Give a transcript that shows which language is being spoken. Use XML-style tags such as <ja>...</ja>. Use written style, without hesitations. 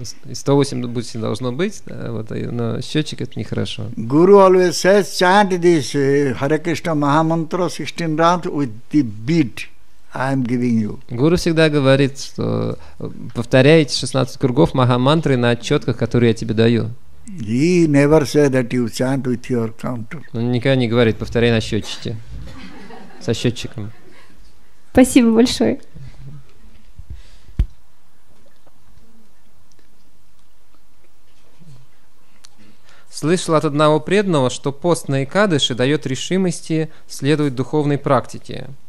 <ru>108 бусин должно быть, да, вот, но счетчик это нехорошо.</ru> <en>Guru always says, chant this Hare Krishna Mahamantra 16 rounds with the beat I am giving you.</en> <ru>Guru всегда говорит, что повторяйте 16 кругов Махамантры на отчетках, которые я тебе даю.</ru> <en>He never said that you chant with your counter.</en> <ru>Он никогда не говорит, повторяй на счетчике, со счетчиком. Спасибо большое. Слышал от одного преданного, что пост на Экадыши дает решимости следовать духовной практике.</ru>